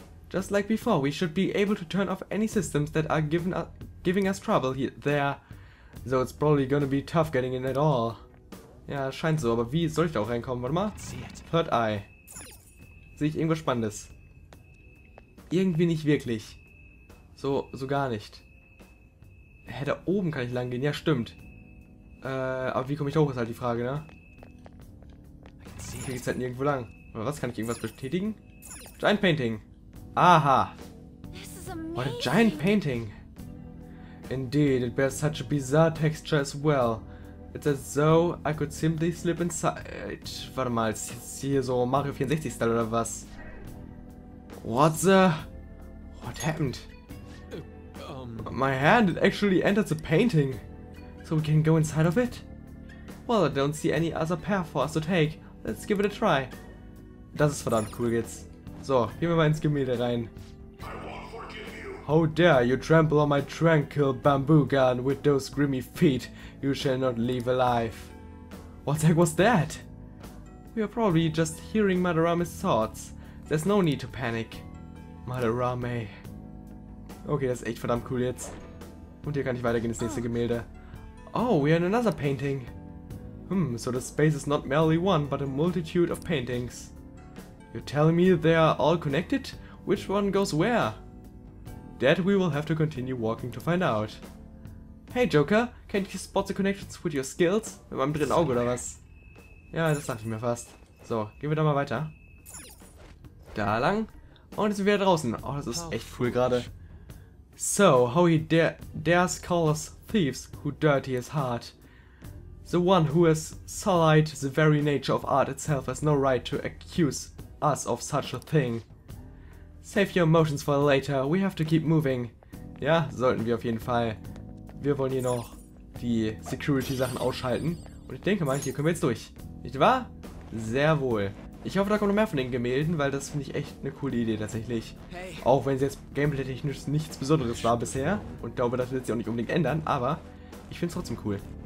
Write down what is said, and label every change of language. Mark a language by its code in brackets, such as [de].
[en] Just like before, we should be able to turn off any systems that are giving us trouble here, there. So it's probably gonna be tough getting in at all. [de] Ja, scheint so, aber wie soll ich da auch reinkommen? Warte mal. Third Eye. Sehe ich irgendwas Spannendes? Irgendwie nicht wirklich. So gar nicht. Hä, da oben kann ich lang gehen? Ja, stimmt. Aber wie komme ich da hoch, ist halt die Frage, ne? Hier geht's halt nirgendwo lang. Oder was, kann ich irgendwas betätigen? Giant Painting. Aha. [en] What a giant painting. Indeed, it bears such a bizarre texture as well. It's as though I could simply slip inside. [de] Warte mal, ist jetzt hier so Mario 64-Style oder was? [en] What the? What happened? My hand, it actually entered the painting. So we can go inside of it? Well, I don't see any other path for us to take. Let's give it a try. [de] Das ist verdammt cool jetzt. So, gehen wir mal ins Gemälde rein. [en] How dare you trample on my tranquil bamboo garden with those grimy feet? You shall not live alive. What the heck was that? We are probably just hearing Madarame's thoughts. There's no need to panic. Madarame. [de] Okay, das ist echt verdammt cool jetzt. Und hier kann ich weitergehen ins nächste Gemälde. [en] Oh, we are in another painting. So the space is not merely one, but a multitude of paintings. You're telling me they are all connected? Which one goes where? That we will have to continue walking to find out. Hey Joker, can't you spot the connections with your skills? [de] Mit meinem dritten Auge oder was? Ja, das dachte ich mir fast. So, gehen wir da mal weiter. Da lang. Und jetzt sind wir da draußen. Oh, das ist echt cool gerade. [en] So, how he dares call us thieves who dirty his heart. The one who has sullied the very nature of art itself has no right to accuse us of such a thing. Save your emotions for later, we have to keep moving. [de] Ja, sollten wir auf jeden Fall. Wir wollen hier noch die Security-Sachen ausschalten. Und ich denke mal, hier können wir jetzt durch. Nicht wahr? Sehr wohl. Ich hoffe, da kommen noch mehr von den Gemälden, weil das finde ich echt eine coole Idee tatsächlich. Hey. Auch wenn es jetzt gameplay-technisch nichts Besonderes war bisher. Und glaube, das wird sich auch nicht unbedingt ändern, aber ich finde es trotzdem cool.